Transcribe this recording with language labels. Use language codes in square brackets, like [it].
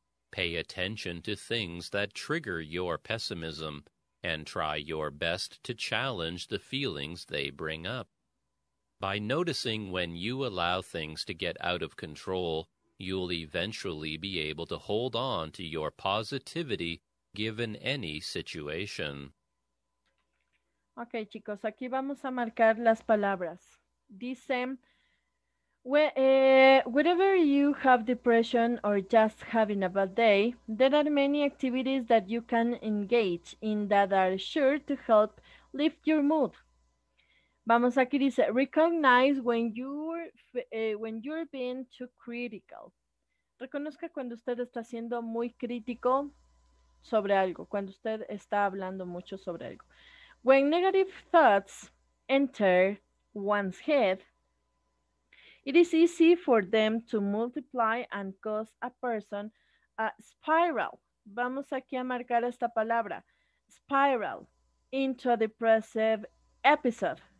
[en] Pay attention to things that trigger your pessimism and try your best to challenge the feelings they bring up. By noticing when you allow things to get out of control, you'll eventually be able to hold on to your positivity given any situation. [es] Ok, chicos, aquí vamos a marcar las palabras. [en] Dice, whenever you have depression or just having a bad day, there are many activities that you can engage in that are sure to help lift your mood. [es] Vamos aquí, dice, [en] recognize when you're being too critical. [es] Reconozca cuando usted está siendo muy crítico sobre algo, cuando usted está hablando mucho sobre algo. [en] When negative thoughts enter one's head, it is easy for them to multiply and cause a person a spiral. [es] Vamos aquí a marcar esta palabra, spiral, [en] into a depressive episode.